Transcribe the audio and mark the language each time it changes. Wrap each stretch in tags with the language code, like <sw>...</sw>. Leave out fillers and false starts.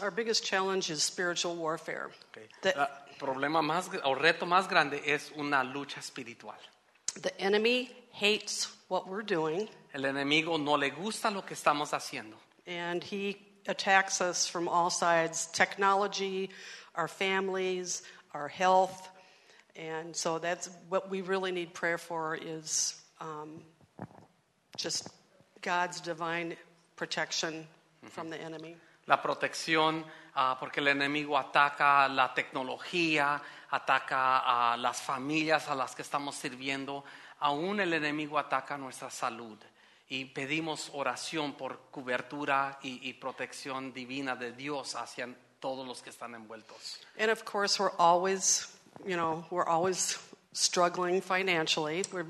<en>Our biggest challenge is spiritual warfare. Okay.</en> <es>Problema más o reto más grande es una lucha espiritual.</es> <en>The enemy hates what we're doing.</en> <es>El enemigo no le gusta lo que estamos haciendo.</es> <en>And he attacks us from all sides: technology, our families, our health. And so that's what we really need prayer for, is just God's divine protection from the enemy.</en> <es>La protección, porque el enemigo ataca la tecnología, ataca a las familias a las que estamos sirviendo, aún el enemigo ataca nuestra salud. Y pedimos oración por cobertura y protección divina de Dios hacia todos los que están envueltos.</es> <en>And of course we're always, you know, we're always struggling financially.</en>